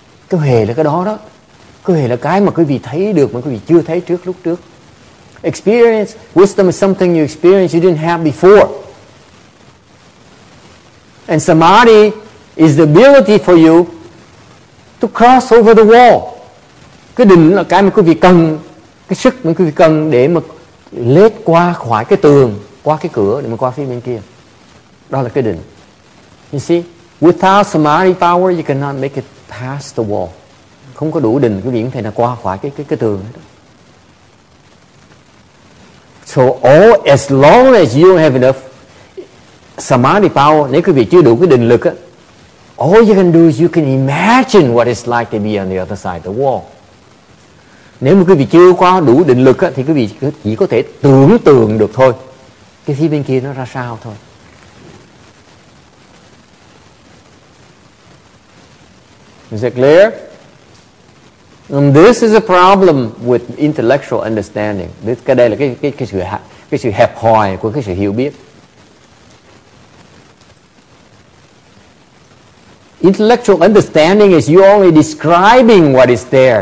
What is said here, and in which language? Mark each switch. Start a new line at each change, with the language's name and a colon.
Vietnamese: Cái hề là cái đó đó, cái hề là cái mà quý vị thấy được mà quý vị chưa thấy trước lúc trước.
English: Experience, wisdom is something you experience you didn't have before. And samadhi is the ability for you to cross over the wall.
Vietnamese: Cái định là cái mà quý vị cần, cái sức mà quý vị cần để mà lết qua khỏi cái tường, qua cái cửa để mà qua phía bên kia. Đó là cái định.
English: You see, without samadhi power, you cannot make it past the wall.
Vietnamese: Không có đủ định, quý vị không thể nào qua khỏi cái tường.
English: So all, as long as you don't have enough samadhi power,
Vietnamese: nếu quý vị chưa đủ cái định lực,
English: all you can do is you can imagine what it's like to be on the other side of the wall.
Vietnamese: Nếu mà quý vị chưa có đủ định lực á, thì quý vị chỉ có thể tưởng tượng được thôi. Cái phía bên kia nó ra sao thôi.
English: Is it clear? And this is a problem with intellectual understanding.
Vietnamese: Cái đây là cái sự hẹp hòi của cái sự hiểu biết.
English: Intellectual understanding is you only describing what is there.